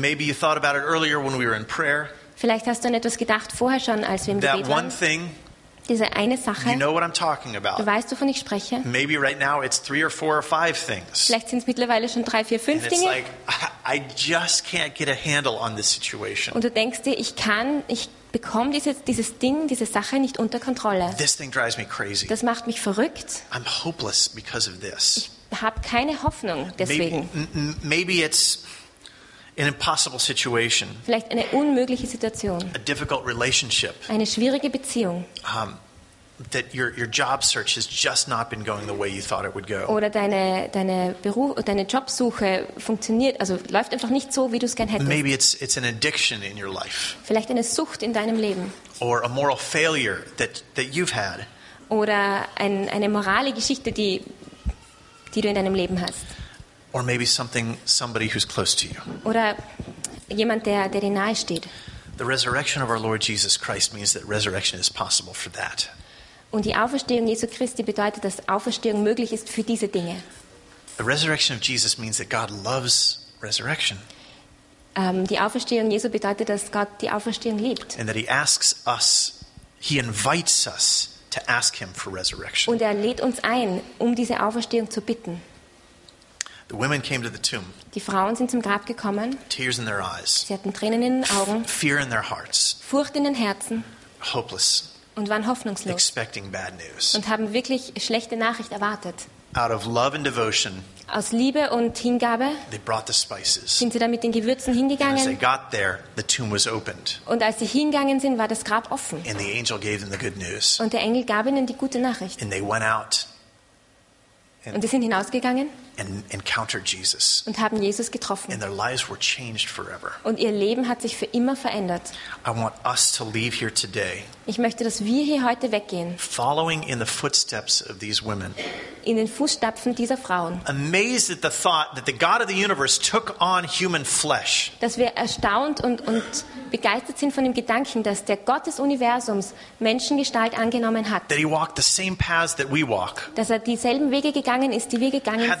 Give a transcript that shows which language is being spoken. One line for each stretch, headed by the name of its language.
English: Maybe you thought about it earlier when we were in prayer.
German: Vielleicht hast du an etwas gedacht vorher schon, als wir im Gebet waren.
English: That one thing.
German: diese eine Sache.
English: You know what I'm talking about.
German: Du weißt, wovon ich spreche.
English: Maybe right now it's three or four or five things.
German: Vielleicht sind es mittlerweile schon drei, vier, fünf Dinge.
English: And it's like, I just can't get a handle on this situation.
German: Und du denkst dir, ich bekomme dieses Ding, diese Sache nicht unter Kontrolle.
English: This thing drives me crazy.
German: Das macht mich verrückt.
English: I'm hopeless because of this.
German: Ich habe keine Hoffnung deswegen.
English: Maybe it's an impossible situation.
German: Vielleicht eine unmögliche Situation.
English: A difficult relationship.
German: Eine schwierige Beziehung.
English: That your job search has just not been going the way you thought it would go.
German: Oder deine Jobsuche funktioniert, also läuft einfach nicht so, wie du es gern hättest.
English: Maybe it's an addiction in your life.
German: Vielleicht eine Sucht in deinem Leben.
English: Or a moral failure that you've had.
German: Oder eine morale Geschichte, die du in deinem Leben hast.
English: Or maybe somebody who's close to you.
German: Oder jemand, der dir nahe steht.
English: The resurrection of our Lord Jesus Christ means that resurrection is possible for that.
German: Und die Auferstehung Jesu Christi bedeutet, dass Auferstehung möglich ist für diese Dinge.
English: The resurrection of Jesus means that God loves resurrection.
German: Die Auferstehung Jesu bedeutet, dass Gott die Auferstehung liebt.
English: And that he asks us, he invites us to ask him for resurrection.
German: Und er lädt uns ein, um diese Auferstehung zu bitten.
English: The women came to the tomb.
German: Die Frauen sind zum Grab gekommen.
English: Tears in their eyes.
German: Sie hatten Tränen in den Augen.
English: Fear in their hearts.
German: Furcht in den Herzen.
English: Hopeless.
German: Und waren hoffnungslos und haben wirklich schlechte Nachricht erwartet.
English: Out of love and devotion,
German: aus Liebe und Hingabe
English: they brought the spices.
German: Sind sie dann mit den Gewürzen hingegangen.
English: And as they got there, the tomb was opened.
German: Und als sie hingegangen sind, war das Grab offen.
English: And the angel gave them the good news.
German: Und der Engel gab ihnen die gute Nachricht.
English: And they went out
German: and und sie sind hinausgegangen
English: and encountered Jesus.
German: Und haben Jesus getroffen.
English: And their lives were changed forever.
German: Und ihr Leben hat sich für immer verändert.
English: I want us to leave here today.
German: Ich möchte, dass wir hier heute weggehen.
English: Following in the footsteps of these women.
German: In den Fußstapfen dieser Frauen.
English: Amazed at the thought that the God of the universe took on human flesh.
German: Dass wir erstaunt und begeistert sind von dem Gedanken, dass der Gott des Universums Menschengestalt angenommen hat.
English: That he walked the same paths that we walk.
German: Dass er dieselben Wege gegangen ist, die wir gegangen sind.